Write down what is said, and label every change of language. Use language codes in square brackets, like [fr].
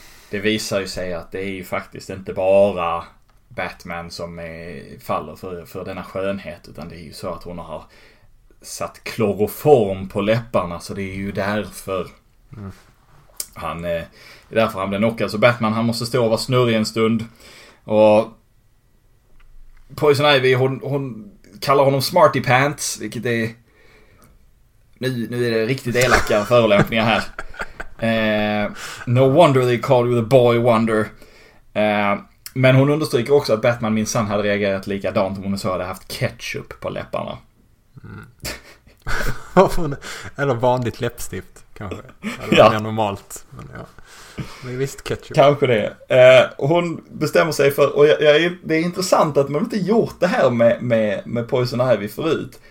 [sv] det visar ju sig att det är ju faktiskt inte bara Batman som faller för denna skönhet, utan det är ju så att hon har satt kloroform på läpparna, så det är ju därför han är därför han blir knockad. Så Batman, han måste stå och vara snurrig en stund, och Poison Ivy, hon kallar honom Smarty Pants, vilket är nu är det riktigt elaka förolämpningar här. [en] No wonder they call you the boy wonder. [sv] Men hon understryker också att Batman minsann hade reagerat likadant om hon så hade haft ketchup på läpparna. Eller vanligt läppstift kanske. Eller ja, normalt. Men ja, men visst, ketchup. Kanske det. Hon bestämmer sig för, och det är intressant att man inte gjort det här med Poison Ivy förut.